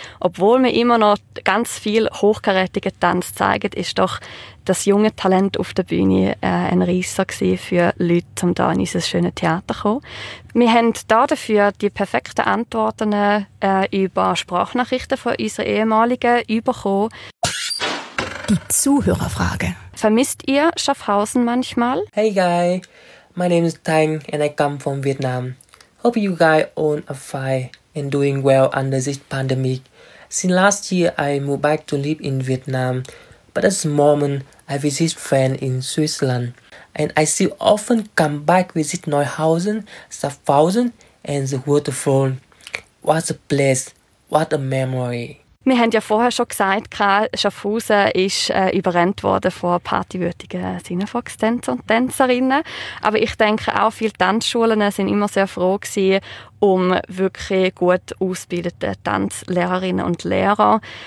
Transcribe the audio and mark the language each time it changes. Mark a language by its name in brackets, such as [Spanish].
[German] Obwohl wir immer noch ganz viel hochkarätigen Tanz zeigen, ist doch das junge Talent auf der Bühne ein Reisser gewesen für Leute, um da in unser schönes Theater zu kommen. Wir haben dafür die perfekten Antworten über Sprachnachrichten von unseren Ehemaligen bekommen. Die Zuhörerfrage. Vermisst ihr Schaffhausen manchmal? [English] Hey guys, my name is Tang and I come from Vietnam. Hope you guys own a fire and doing well under this pandemic. Since last year I moved back to live in Vietnam. But at the moment, I visit friends in Switzerland. And I still often come back visit Neuhausen, Schaffhausen and the waterfall. What a place, what a memory. [German] Wir haben ja vorher schon gesagt, Schaffhausen ist überrannt worden von partywürdigen Sinnefox-Tänzer und Tänzerinnen. Aber ich denke, auch viele Tanzschulen sind immer sehr froh gewesen, um wirklich gut ausgebildete Tanzlehrerinnen und Lehrer.